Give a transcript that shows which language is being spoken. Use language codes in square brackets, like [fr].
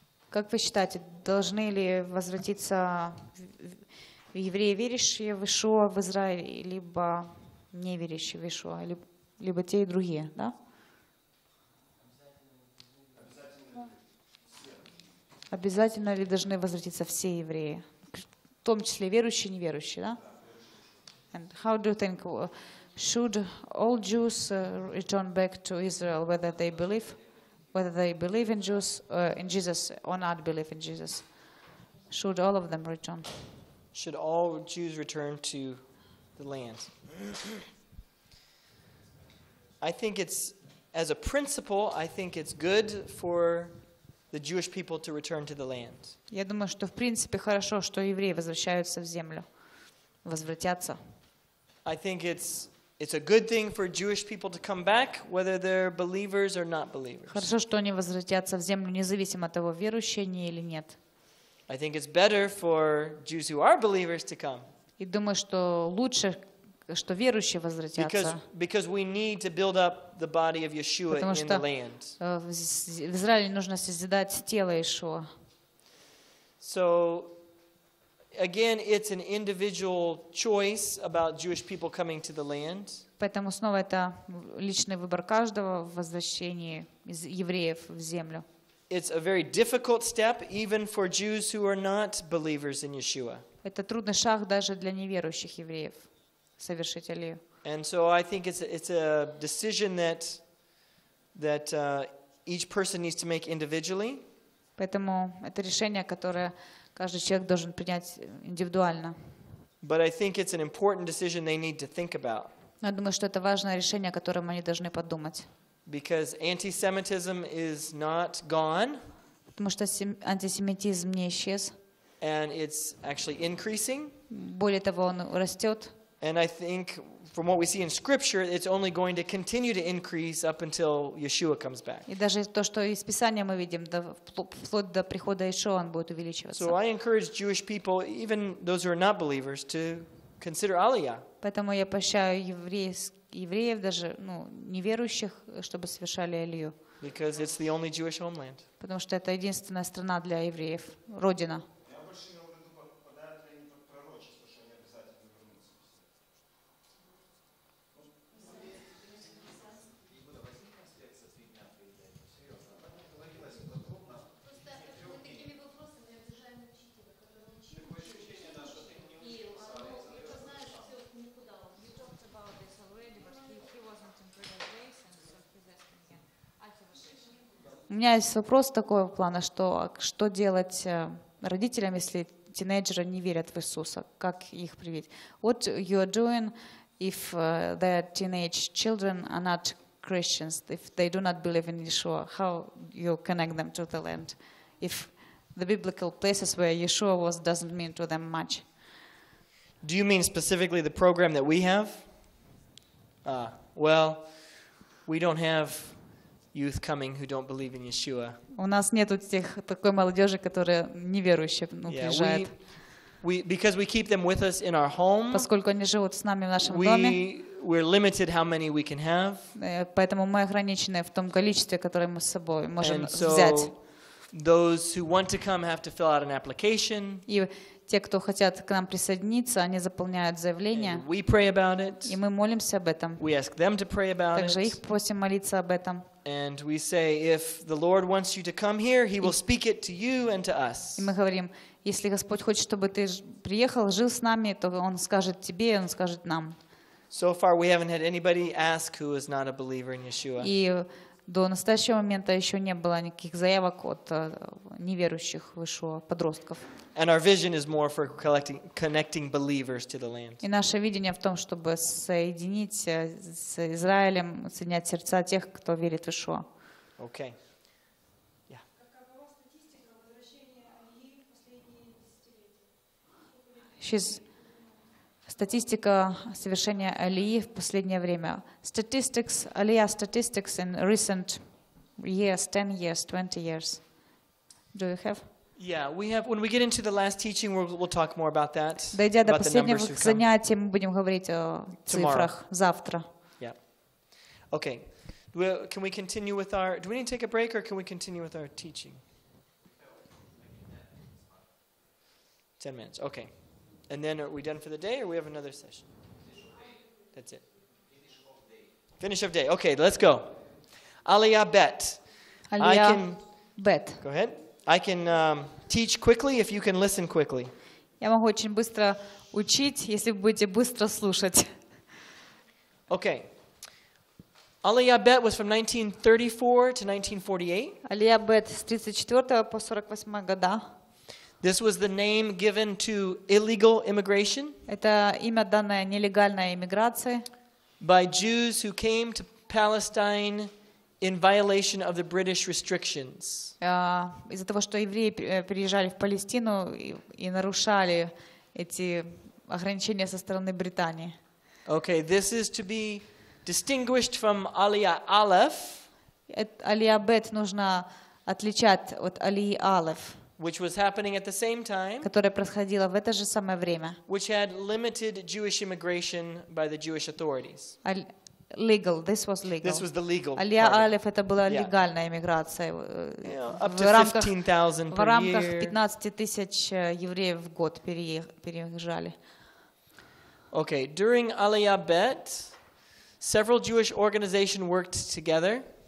[ru] Как вы считаете, должны ли возвратиться евреи, верящие в Ишуа в Израиль, либо неверящие в Иешуа, либо те и другие, да? Обязательно ли должны возвратиться все евреи, в том числе верующие и неверующие, да? [en] And how do you think, should all Jews return back to Israel, whether they believe, in Jews, in Jesus or not believe in Jesus? Should all of them return? Should all Jews return to the land? I think it's, as a principle, I think it's good for the Jewish people to return to the land. [ru] Я думаю, что в принципе хорошо, что евреи возвращаются в землю, возвратятся. [en] I think it's a good thing for Jewish people to come back, whether they're believers or not believers. [ru] Хорошо, что они возвратятся в землю, независимо от того, верующие они или нет. [en] I think it's better for Jews who are believers to come. [ru] И думаю, что лучше, что верующие возвратятся. [en] Because we need to build up the body of Yeshua in the land. [ru] Потому что в Израиле нужно созидать тело Иешуа. [en] So again, it's an individual choice about Jewish people coming to the land. [ru] Поэтому снова это личный выбор каждого в возвращении из евреев в землю. [en] It's a very difficult step even for Jews who are not believers in Yeshua. [ru] Это трудный шаг даже для неверующих евреев совершить Алию. [en] And so I think it's a decision that each person needs to make individually. [ru] Поэтому это решение, которое каждый человек должен принять индивидуально. [en] But I think it's an important decision they need to think about. [ru] Я думаю, что это важное решение, о котором они должны подумать. [en] Because anti-Semitism is not gone. [ru] Потому что антисемитизм не исчез. [en] And it's actually increasing. [ru] Более того, он растет. [en] And I think, from what we see in Scripture, it's only going to continue to increase up until Yeshua comes back. [ru] И даже то, что из Писания мы видим, вплоть до прихода Иешуа, он будет увеличиваться. [en] So I encourage Jewish people, even those who are not believers, to consider Aliyah. [ru] Поэтому я поощряю евреев, даже неверующих, чтобы совершали Алию. [en] Because it's the only Jewish homeland. [ru] Потому что это единственная страна для евреев, родина. У меня есть вопрос такого плана, что делать родителям, если тинейджеры не верят в Иисуса? Как их привить? [en] What you are doing if the teenage children are not Christians, if they do not believe in Yeshua? How you connect them to the land? If the biblical places where Yeshua was doesn't mean to them much? Do you mean specifically the program that we have? Well, we don't have youth coming who don't believe in Yeshua. [ru] У нас нет тех такой молодёжи, которая неверующая, приезжает. [en] Because we keep them with us in our home. [ru] Поскольку они живут с нами в нашем доме. [en] We're limited how many we can have. [ru] Поэтому мы ограничены в том количестве, которое мы с собой можем взять. [en] Those who want to come have to fill out an application. [ru] И те, кто хотят к нам присоединиться, они заполняют заявление. [en] And we pray about it. [ru] И мы молимся об этом. [en] We ask them to pray about it. [ru] Также их просим молиться об этом. [en] And we say, if the Lord wants you to come here, He will speak it to you and to us. [ru] И мы говорим, если Господь хочет, чтобы ты приехал, жил с нами, то Он скажет тебе, Он скажет нам. [en] So far, we haven't had anybody ask who is not a believer in Yeshua. [ru] И до настоящего момента еще не было никаких заявок от неверующих в Иешуа подростков. [en] And our vision is more for connecting believers to the land. [ru] И наше видение в том, чтобы соединить с Израилем, соединять сердца тех, кто верит в Иешуа. [en] Okay. Yeah. [ru] Статистика совершения Алии в последнее время. [en] Statistics, Aliyah statistics in recent years, 10 years, 20 years. Do you have? Yeah, we have. When we get into the last teaching, we'll talk more about that. [ru] Дойдя до последнего занятия, мы будем говорить о цифрах завтра. [en] Yeah. Okay. Can we continue with our? Do we need to take a break, or can we continue with our teaching? 10 minutes. Okay. And then are we done for the day, or we have another session? That's it. Finish of day. Okay, let's go. Alia bet. Alia bet. Go ahead. I can teach quickly if you can listen quickly. [ru] Я могу очень быстро учить, если вы будете быстро слушать. [en] Okay. Alia bet was from 1934 to 1948. [ru] Alia bet с 34 по 48 года. [en] This was the name given to illegal immigration. [ru] Это имя данное нелегальной иммиграции. [en] By Jews who came to Palestine in violation of the British restrictions. [ru] Из-за того, что евреи приезжали в Палестину и нарушали эти ограничения со стороны Британии. [en] Okay, this is to be distinguished from Aliyah Aleph. [ru] Aliyah Bet нужно отличать от Алии Алеф. [en] Which was happening at the same time, [ru] которое происходило в это же самое время, [en] which had limited Jewish immigration by the Jewish authorities. Legal. This was legal. This was the legal. [ru] Алия Алеф это была легальная иммиграция [en] up to 15,000 per year. [ru] В рамках 15,000 евреев в год переезжали. [en] Okay, during Aliyah Bet, several Jewish organizations worked together.